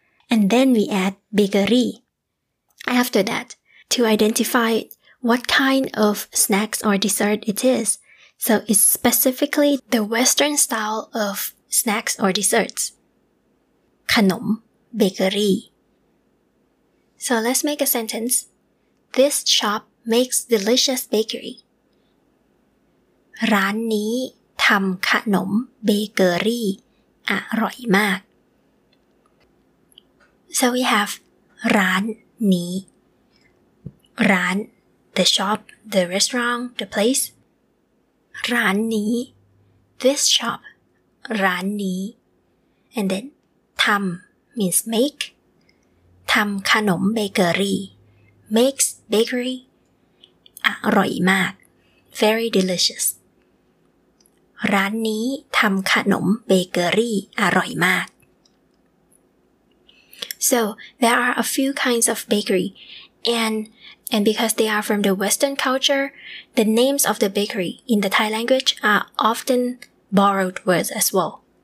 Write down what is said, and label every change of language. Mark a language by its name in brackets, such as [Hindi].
[English] And then we add bakery after that to identify what kind of snacks or dessert it is. So it's specifically the Western style of snacks or desserts. ขนม bakery. So let's make a sentence. This shop makes delicious bakery. [Thai] ร้านนี้ทำขนมเบเกอรี่อร่อยมาก [English] So we have ร้านนี้ร้าน the shop, the restaurant, the place. ร้านนี้ this shop, ร้านนี้ and then ทำ means make. ทำขนมเบเกอรี่ makes bakery [Thai] อร่อยมาก [English] very delicious. [Thai] ร้านนี้ทำขนมเบเกอรี่อร่อยมาก [English] So, there are a few kinds of bakery, and because they are from the Western culture, the names of the bakery in the Thai language are often borrowed words as well.